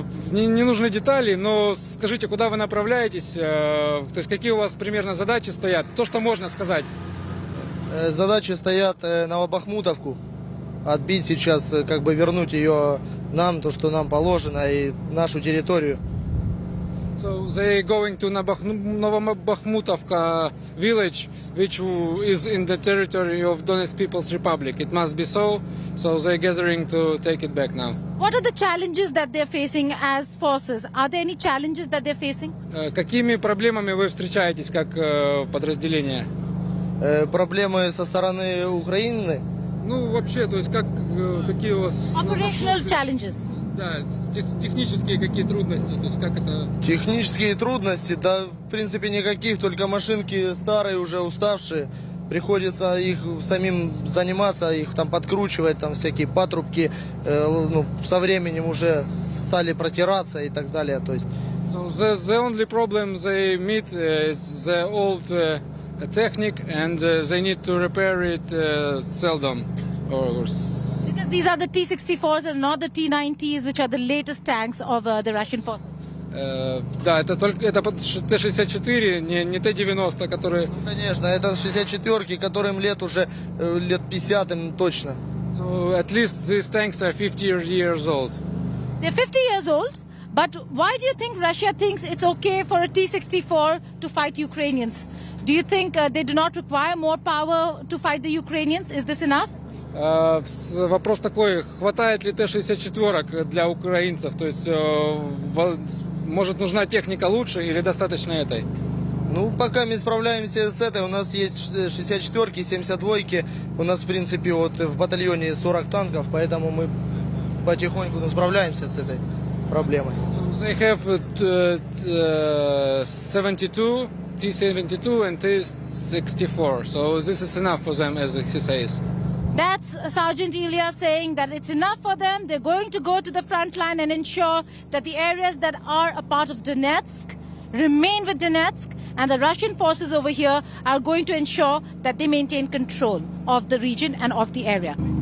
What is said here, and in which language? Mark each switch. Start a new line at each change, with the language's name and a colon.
Russian: Не нужны детали, но скажите, куда вы направляетесь? То есть какие у вас примерно задачи стоят? То, что можно сказать. Задачи стоят Новобахмутовку. Отбить сейчас, как бы вернуть ее нам, то, что нам положено, и нашу территорию.
English: So they going to Novobakhmutovka village, which is in the territory of Donetsk People's Republic. It must be so. So they gathering to take it back now. What are the challenges that they're facing as forces? Are there any challenges that they're facing?
Russian: Какими проблемами вы встречаетесь как подразделение? Проблемы со стороны Украины? Ну вообще, то есть как какие у вас?
English: Operational challenges.
Russian: Да, технические какие трудности, то есть как это... Технические трудности, да, в принципе, никаких, только машинки старые, уже уставшие. Приходится их самим заниматься, их там подкручивать, там всякие патрубки, ну, со временем уже стали протираться и так далее, то есть...
English: So the only problem they meet is the old technique, and they need to repair it seldom, or... Because these are the T-64s and not the T-90s, which are the latest tanks of the Russian forces.
Russian: Да, это только это Т-64, не Т-90, которые. Ну, конечно, это 64-ки, которым лет уже лет 50 точно.
English: So at least these tanks are 50 years old. They're 50 years old, but why do you think Russia thinks it's okay for a T-64 to fight Ukrainians? Do you think they do not require more power to fight the Ukrainians? Is this enough?
Russian: Вопрос такой, хватает ли Т-64 для украинцев, то есть может нужна техника лучше или достаточно этой? Ну, пока мы справляемся с этой, у нас есть 64-ки, 72-ки, у нас в принципе вот в батальоне 40 танков, поэтому мы потихоньку справляемся с этой проблемой.
English: So they have 72, T-72 and T-64, so this is enough for them, as he says. That's Sergeant Ilya saying that it's enough for them. They're going to go to the front line and ensure that the areas that are a part of Donetsk remain with Donetsk, and the Russian forces over here are going to ensure that they maintain control of the region and of the area.